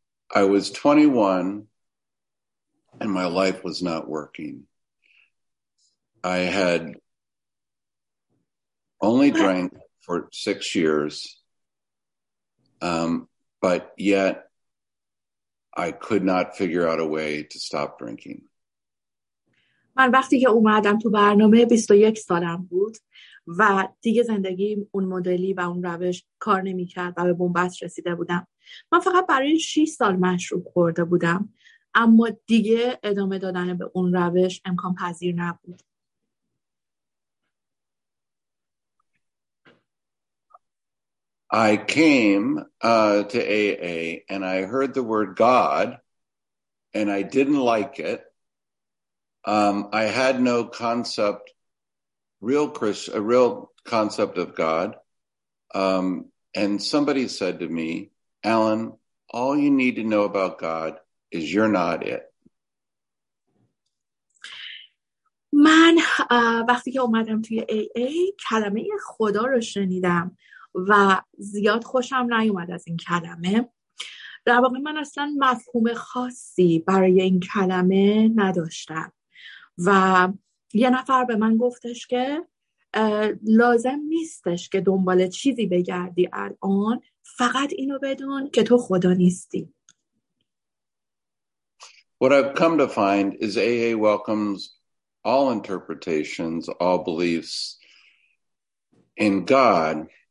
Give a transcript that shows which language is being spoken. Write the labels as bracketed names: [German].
[English] I was 21 and my life was not working. I had only drank for 6 years, but yet I could not figure out a way to stop drinking. [Persian] من وقتی که اومدم تو برنامه 21 سالم بود و دیگه زندگی اون مدلی و اون روش کار نمی کرد و به بنبست رسیده بودم. من فقط برای 6 سال مشروب خورده بودم، اما دیگه ادامه دادن به اون روش امکان پذیر نبود. [English] I came to AA and I heard the word God and I didn't like it. I had no concept, real concept of God. And somebody said to me, Alan, all you need to know about God is you're not it. [Persian] من وقتی که اومدم توی AA کلمه خدا رو شنیدم و زیاد خوشم نیومد از این کلمه. در واقع من اصلا مفهوم خاصی برای این کلمه نداشتم و یه نفر به من گفتش که لازم نیستش که دنبال چیزی بگردی الان، فقط اینو بدون که تو خدا نیستی. [English] What I've come to find is AA welcomes all interpretations, all beliefs in God.